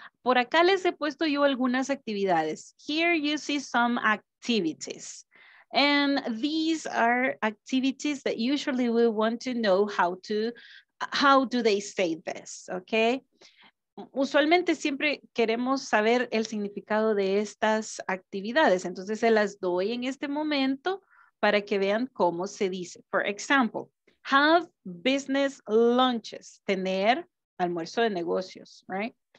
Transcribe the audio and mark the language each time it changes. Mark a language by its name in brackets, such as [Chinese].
[Spanish] Por acá les he puesto yo algunas actividades. [English] Here you see some activities. And these are activities that usually we want to know how do they say this, okay? [Spanish] Usualmente siempre queremos saber el significado de estas actividades. Entonces se las doy en este momento para que vean cómo se dice. [English] For example, have business lunches, [Spanish] tener almuerzo de negocios, [English] right?